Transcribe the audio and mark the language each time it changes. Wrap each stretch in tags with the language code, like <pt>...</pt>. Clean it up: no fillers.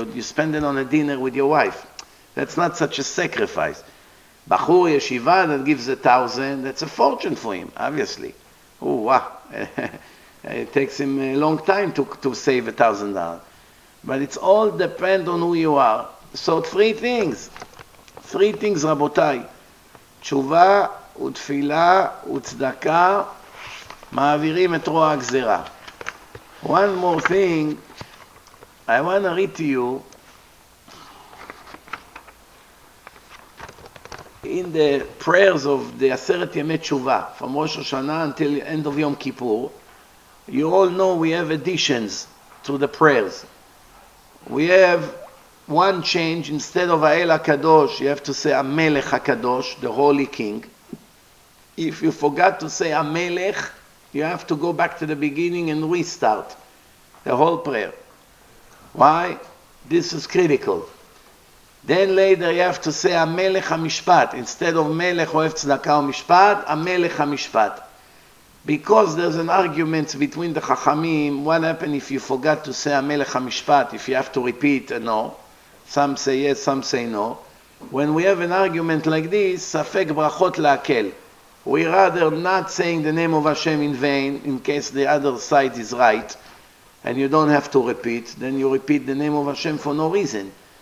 <en>You spend it on a dinner with your wife. That's not such a sacrifice. Bachur yeshiva that gives $1,000, that's a fortune for him, obviously. Oh, wow. It takes him a long time to save $1,000. But it's all depend on who you are. So 3 things. 3 things, Rabotai.</en> <he>Tshuva, ותפילה וצדקה מעבירים את רוע הגזירה.</he> <en>One more thing, I want to read to you in the prayers of the עשרת ימי תשובה from Rosh Hashanah until end of Yom Kippur. You all know we have additions to the prayers. We have one change. Instead of Ha'el HaKadosh, you have to say Ha'melech HaKadosh, the Holy King. If you forgot to say Amelech, you have to go back to the beginning and restart the whole prayer. Why? This is critical. Then later you have to say</en> <he>המלך המשפט.</he> <en>Instead of</en> <he>מלך אוהב צדקה ומשפט, המלך המשפט.</he> <en>Because there's an argument between the חכמים, what happened if you forgot to say</en> <he>המלך המשפט,</he> <en>if you have to repeat or no. Some say yes, some say no. When we have an argument like this,</en> <he>ספק ברכות להקל.</he> <en>We rather not saying the name of Hashem in vain, in case the other side is right, and you don't have to repeat, then you repeat the name of Hashem for no reason.</en>